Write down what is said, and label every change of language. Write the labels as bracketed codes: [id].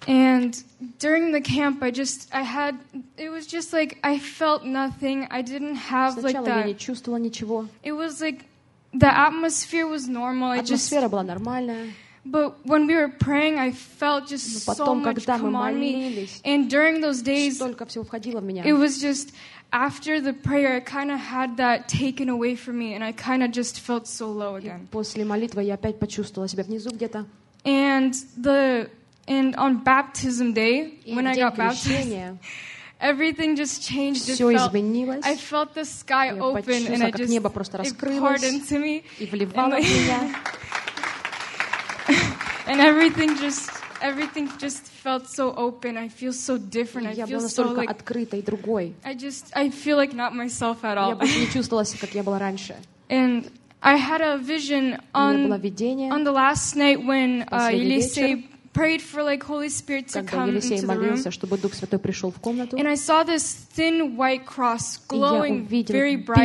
[en] And during the camp, it was just like, I felt nothing. I didn't have like that. [ru] Сначала я не чувствовала ничего. [en] It was like, the atmosphere was normal. [ru] Атмосфера была нормальная. [en] But when we were praying, I felt just so much come on me. And during those days, [ru] столько всего входило в меня. [en] It was just, after the prayer, I kind of had that taken away from me, and I kind of just felt so low again. [ru] После молитвы я опять почувствовала себя внизу где-то. [en] And on baptism day, when I got baptized, everything just changed. [ru] Все изменилось. [en] I felt the sky open, and I just, [ru] небо просто раскрылось, [en] it poured into me. [ru] И вливало в меня. [en] And everything just felt so open. I feel so different. [ru] Я [en] I feel [ru] настолько [en] so like, [ru] открытой, другой. [en] I feel like not myself at all. [ru] Я больше не чувствовала себя, как я была раньше. [en] And I had a vision on the last night when Елисей prayed for like Holy Spirit to come into the room. [ru] Когда Елисей молился, чтобы Дух Святой пришел в комнату. [en] And I saw this thin white cross glowing very bright.